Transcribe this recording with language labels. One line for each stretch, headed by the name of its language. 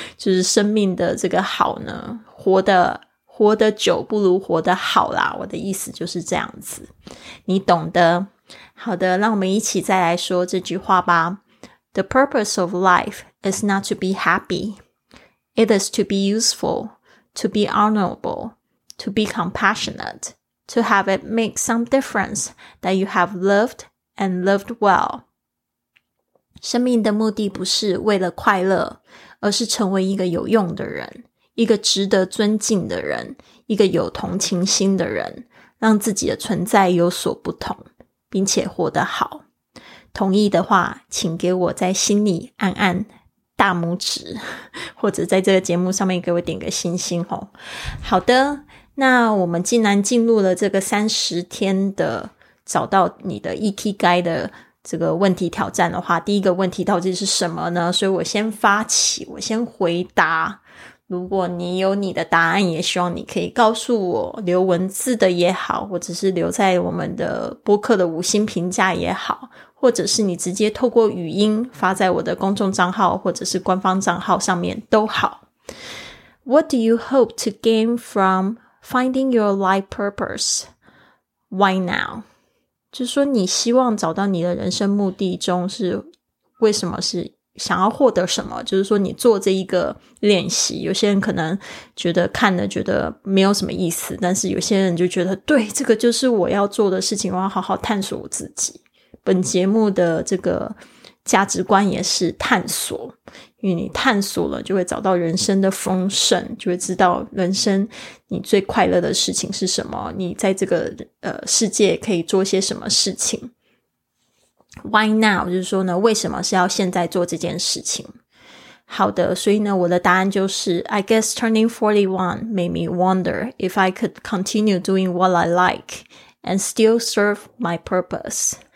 Chinese: 就是生命的这个好呢，活得久不如活得好啦，我的意思就是这样子，你懂的。好的，让我们一起再来说这句话吧。
English: The purpose of life is not to be happy. It is to be useful, to be honorable, to be compassionate, to have it make some difference that you have lived and lived well.
Chinese: 生命的目的不是为了快乐，而是成为一个有用的人，一个值得尊敬的人，一个有同情心的人，让自己的存在有所不同，并且活得好。同意的话，请给我在心里按按大拇指，或者在这个节目上面给我点个星星哦。好的，那我们既然进入了这个30天的找到你的 Ikigai 的这个问题挑战的话，第一个问题到底是什么呢？所以我先发起，我先回答。如果你有你的答案，也希望你可以告诉我，留文字的也好，或者是留在我们的播客的五星评价也好，或者是你直接透过语音发在我的公众账号或者是官方账号上面都好。
English: What do you hope to gain from finding your life purpose? Why now?
Chinese: 就说你希望找到你的人生目的中是为什么，是想要获得什么。就是说你做这一个练习，有些人可能觉得看了觉得没有什么意思，但是有些人就觉得对，这个就是我要做的事情，我要好好探索我自己。本节目的这个价值观也是探索，因为你探索了就会找到人生的丰盛，就会知道人生你最快乐的事情是什么，你在这个世界可以做些什么事情。
English: Why now?
Chinese: 就是说呢，为什么是要现在做这件事情。好的，所以呢，我的答案就是
English: I guess turning 41 made me wonder if I could continue doing what I like and still serve my purpose.